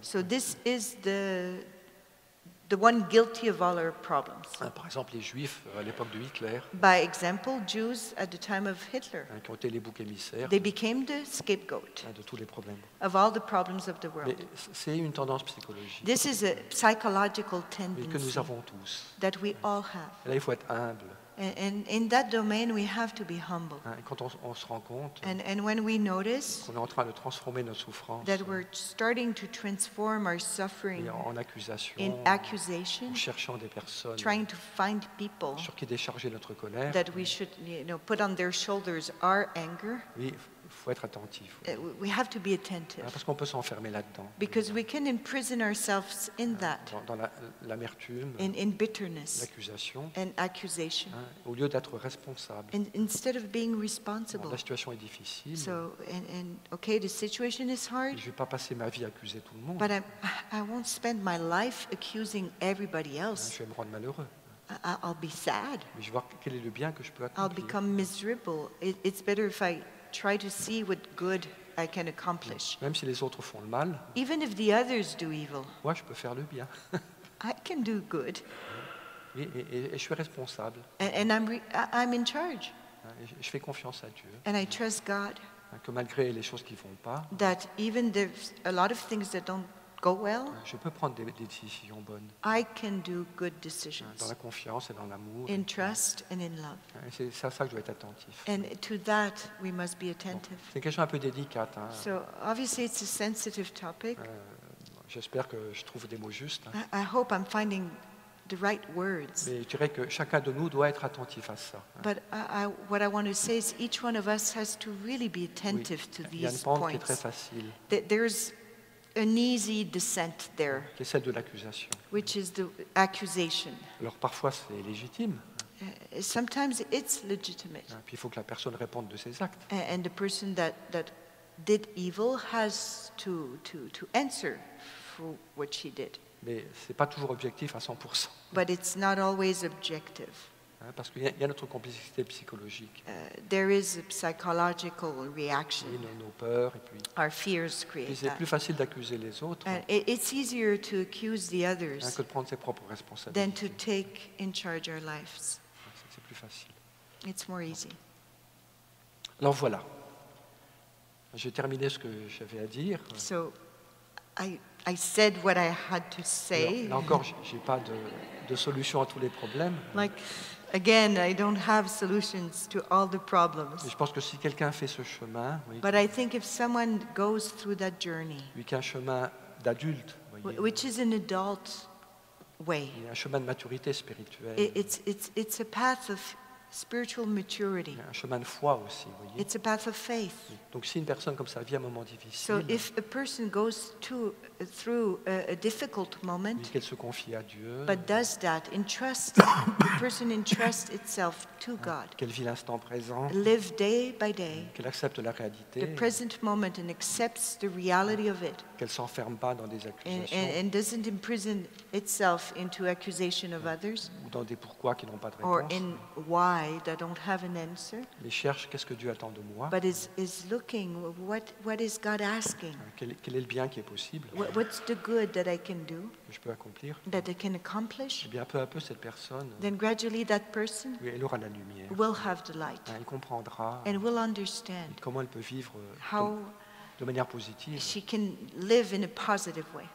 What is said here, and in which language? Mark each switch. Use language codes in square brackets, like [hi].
[en] So this is the one guilty of all our problems. [fr] Par exemple, les Juifs à l'époque de Hitler. [en] By example, Jews at the time of Hitler. [fr] Qui ont été les boucs émissaires. [en] They became the scapegoat. [fr] De tous les problèmes. [en] Of all the problems of the world. [fr] Mais c'est une tendance psychologique. [en] This is a psychological tendency. [fr] Que nous avons tous. [en] That we all have. [fr] Là, il faut être humble. [en] And in that domain, we have to be humble. [fr] Quand on se rend compte. [en] And when we notice. [fr] Qu'on est en train de transformer notre souffrance. [en] That we're starting to transform our suffering. [fr] En accusation. [en] In accusation. [fr] En cherchant des personnes. [en] Trying to find people. [fr] Sur qui décharger notre colère. [en] That we should, put on their shoulders our anger. [fr] Oui, faut être attentif. [en] We have to be attentive. [fr] Parce qu'on peut s'enfermer là-dedans. [en] Because we can imprison ourselves in that. [fr] Dans l'amertume. [en] In bitterness. [fr] L'accusation. [en] And accusation. [fr] Au lieu d'être responsable. [en] Instead of being responsible. [fr] La situation est difficile. [en] So and okay, the situation is hard. [fr] Je vais pas passer ma vie à accuser tout le monde. [en] But I won't spend my life accusing everybody else. [fr] Je vais me rendre malheureux. [en] I'll be sad. [fr] Mais je vois quel est le bien que je peux accomplir. [en] I'll become miserable. It's better if I try to see what good I can accomplish. [fr] Même si les autres font le mal. [en] Even if the others do evil. [fr] Moi, je peux faire le bien. [en] I can do good. [fr] Et je suis responsable. [en] And I'm in charge. [fr] Je fais confiance à Dieu. [en] And I trust God. [fr] Que malgré les choses qui vont pas. [en] That even there's a lot of things that don't go well. [fr] Je peux prendre des décisions bonnes. [en] I can do good decisions. [fr] Dans la confiance et dans l'amour. [en] In trust and in love. [fr] Et c'est à ça que je dois être attentif. [en] And to that we must be attentive. [fr] C'est une question un peu délicate. [en] So obviously it's a sensitive topic. [fr] J'espère que je trouve des mots justes. [en] I hope I'm finding the right words. [fr] Mais je dirais que chacun de nous doit être attentif à ça. [en] But what I want to say is each one of us has to really be attentive to these points. [fr] Il y a une pente qui est très facile. [en] There's an easy descent there, [fr] qui est celle de l'accusation. [en] Which is the accusation. [fr] Alors parfois c'est légitime. [en] Sometimes it's legitimate. [fr] Et puis il faut que la personne réponde de ses actes. [en] And the person that did evil has to answer for what she did. [fr] Mais c'est pas toujours objectif à 100%. [en] But it's not always objective. [fr] Parce qu'il y a notre complexité psychologique. [en] There is a psychological reaction. [fr] Oui, nos peurs et puis. [en] Our fears create. [fr] Puis c'est plus facile d'accuser les autres. [en] It's easier to accuse the others. [fr] Que de prendre ses propres responsabilités. [en] Than to take in charge our lives. [fr] C'est plus facile. [en] It's more easy. [fr] Alors voilà. J'ai terminé ce que j'avais à dire. [en] So, I said what I had to say. [fr] Là encore, j'ai pas de solution à tous les problèmes. [en] Like, again, I don't have solutions to all the problems. [fr] Je pense que si quelqu'un fait ce chemin, oui, [en] but I think if someone goes through that journey, [fr] oui, qu'un chemin d'adulte, voyez, [en] which is an adult way, [fr] un chemin de maturité spirituelle, [en] it's a path of spiritual maturity. [fr] Un chemin de foi aussi, voyez. [en] It's a path of faith. [fr] Donc si une personne comme ça vit un moment difficile, [en] so if a person goes through a difficult moment, [fr] qu'elle se confie à Dieu, [en] but does that in trust, the person entrusts itself to God. [fr] Qu'elle vit l'instant présent, [en] live day by day. [fr] Qu'elle accepte la réalité, [en] the present moment, and accepts the reality of it. [fr] Qu'elle s'enferme pas dans des accusations, [en] and doesn't imprison itself into accusation of others, [fr] ou dans des pourquoi qui n'ont pas de réponse, [en] or in why. That don't have an answer. [fr] Mais cherche qu'est-ce que Dieu attend de moi. [en] But is looking what is God asking? [fr] Quel est le bien qui est possible? [en] What's the good that I can do? [fr] Je peux accomplir. [en] That I can accomplish. [fr] Et bien peu à peu cette personne. [en] Then gradually that person. [fr] Oui, elle aura la lumière. [en] Will have the light. [fr] Elle comprendra. [en] And will understand. [fr] Comment elle peut vivre [en] how [fr] de manière positive. [en] She can live in a positive way.